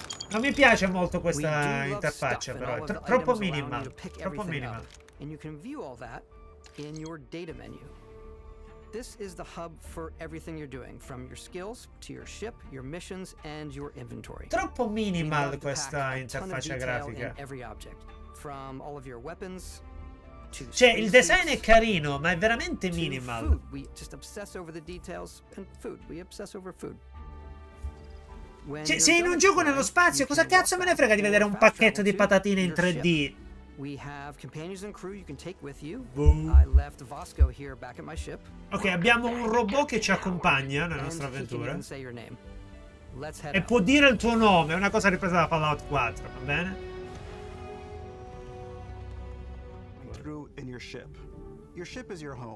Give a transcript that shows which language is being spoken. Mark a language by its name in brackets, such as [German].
[Italian] Non mi piace molto questa interfaccia, però è troppo minima. Troppo minima. [English] E you can view all that in your data menu. This is the hub for everything you're doing, from your skills to your ship, your missions and your inventory. [Italian] Troppo minimal questa interfaccia grafica. [English] From all of your weapons. [Italian] Cioè, il design è carino, ma è veramente minimal. [English] We just obsess over the details and food. We obsess over food. [Italian] Cioè, sei in un gioco nello spazio, cosa cazzo me ne frega di vedere un pacchetto di patatine in 3D? [English] We have companions and crew you can take with you. Boom. I left Vasco here back at my ship. [Italian] Ok, abbiamo un robot che ci accompagna nella nostra avventura. E può dire il tuo nome, è una cosa ripresa da Fallout 4, va bene? [English] In your ship. Your ship is your home.